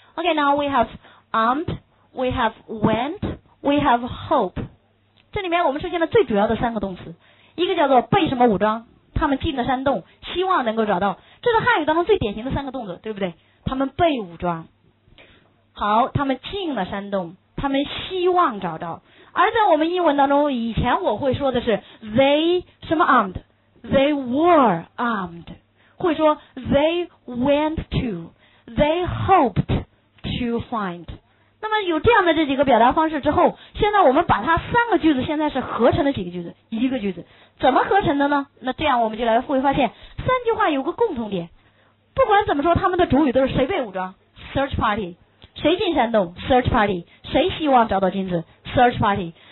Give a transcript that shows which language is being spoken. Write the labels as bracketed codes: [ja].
[en] Okay, now we have armed, we have went, we have hope. [zh] 这里面我们出现了最主要的三个动词，一个叫做被什么武装，他们进了山洞，希望能够找到，这是汉语当中最典型的三个动作，对不对？他们被武装，好，他们进了山洞，他们希望找到。而在我们英文当中，以前我会说的是 they 什么 armed， [en] they were armed， [zh] 会说 [en] they went to， they hoped to find。 [zh] 那么有这样的这几个表达方式之后，现在我们把它三个句子现在是合成的几个句子，一个句子怎么合成的呢？那这样我们就来会发现三句话有个共同点，不管怎么说他们的主语都是谁被武装 search party， 谁进山洞 search party， 谁希望找到金子 search party。